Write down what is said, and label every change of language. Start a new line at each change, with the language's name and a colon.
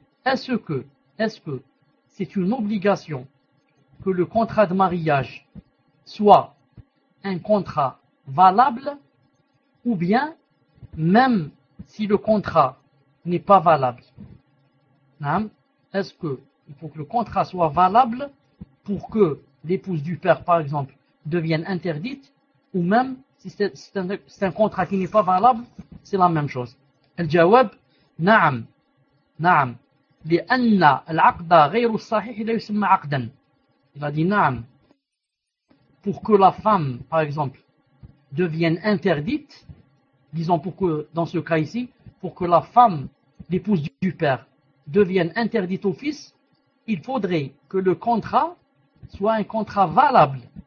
French: Est-ce que c'est une obligation que le contrat de mariage soit un contrat valable ou bien même si le contrat n'est pas valable? Est-ce que il faut que le contrat soit valable pour que l'épouse du père, par exemple, devienne interdite ou même si c'est un contrat qui n'est pas valable, c'est la même chose.
Arabic: الجواب نعم نعم لأن العقد غير صحيح لا يسمى عقدا.
French: Il a dit نعم. Pour que la femme, par exemple, devienne interdite, disons pour que, dans ce cas ici, pour que la femme, l'épouse du père, devienne interdite au fils, il faudrait que le contrat soit un contrat valable.